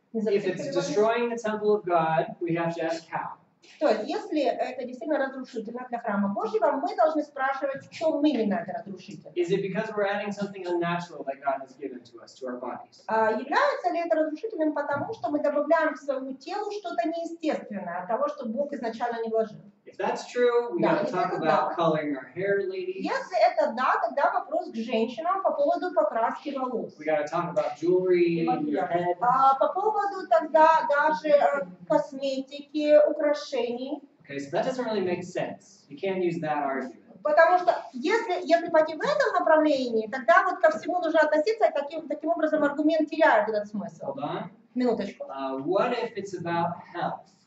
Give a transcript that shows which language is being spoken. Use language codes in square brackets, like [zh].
[en] If it's destroying the temple of God, we have to ask how. [ru] То есть, если это действительно разрушительно для храма Божьего, мы должны спрашивать, в чем именно это разрушительно. [en] Is it because we're adding something unnatural that God has given to us, to our bodies? [ru] Является ли это разрушительным, потому что мы добавляем к своему телу что-то неестественное от того, что Бог изначально не вложил? [en] If that's true, we [ru] да, [en] gotta talk about coloring our hair, ladies. [ru] Если это да, тогда вопрос к женщинам по поводу покраски волос. [en] We gotta talk about jewelry in your head. [ru] По поводу тогда даже косметики, украшений. [en] Okay, so that doesn't really make sense. You can't use that argument. [ru] Потому что если пойти в этом направлении, тогда вот ко всему нужно относиться, и таким образом аргумент теряет этот смысл. [en] Hold on. [ru] Минуточку. [en] What if it's about health?